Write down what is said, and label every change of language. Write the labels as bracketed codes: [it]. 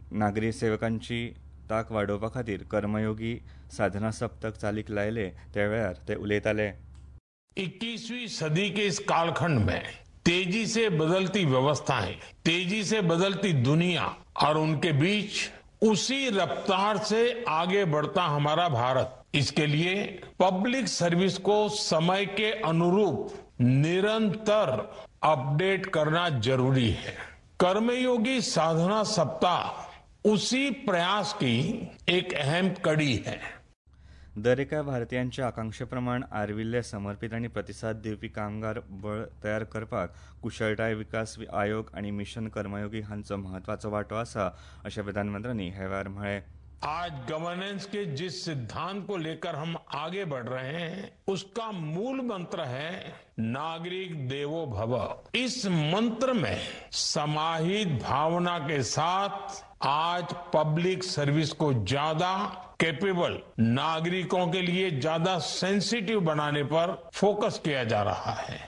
[gom] नागरी सेवकांची ताक वाडोवपा खातीर कर्मयोगी साधना सप्तक चालीक लायले त्या वेळार ते उलयताले. [hi] 21वीं सदी के इस कालखंड में तेजी से बदलती व्यवस्थाएं, तेजी से बदलती दुनिया और उनके बीच उसी रफ्तार से आगे बढ़ता हमारा भारत, इसके लिए पब्लिक सर्विस को समय के अनुरूप निरंतर अपडेट करना जरूरी है. कर्मयोगी साधना सप्ताह उसी प्रयास की एक अहम कड़ी है. [gom] दर एका भारतीयांच्या आकांक्षेप्रमाण आर्विल्ले समर्पित आनी प्रतिसाद दिवपी कामगार बळ तयार करपाक कुशळटाय विकास आयोग आनी मिशन कर्मयोगी हांचो महत्वाचो वांटो आसा अशें प्रधानमंत्र्यांनी हे वेळार म्हळें. [hi] आज गवर्नेंस के जिस सिद्धांत को लेकर हम आगे बढ़ रहे हैं उसका मूल मंत्र है नागरिक देवो भव. इस मंत्र में समाहित भावना के साथ आज पब्लिक सर्विस को ज्यादा कैपेबल, नागरिकों के लिए ज्यादा सेंसिटिव बनाने पर फोकस किया जा रहा है.